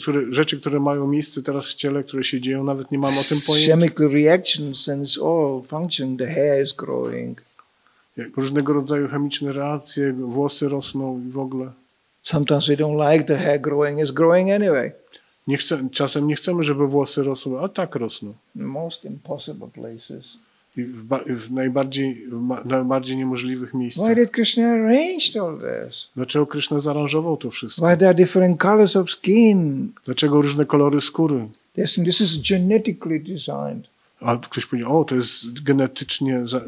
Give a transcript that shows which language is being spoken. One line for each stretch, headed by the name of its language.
Polish: Rzeczy, które mają miejsce teraz w ciele, które się dzieją, nawet nie mam o tym pojęcia.
English: Chemical reactions and it's all functioning. The hair is growing.
Polish: Jak różnego rodzaju chemiczne reakcje, włosy rosną i w ogóle.
English: Sometimes we don't like the hair growing. It's growing anyway.
Polish: Czasem nie chcemy, żeby włosy rosły, a tak rosną.
English: Most impossible places.
Polish: W najbardziej niemożliwych miejscach.
English: Why did Krishna arrange all this?
Polish: Dlaczego Krishna zaaranżował to wszystko?
English: Why there are different colors of skin?
Polish: Dlaczego różne kolory skóry?
English: This is genetically designed.
Polish: A ktoś powie, to jest genetycznie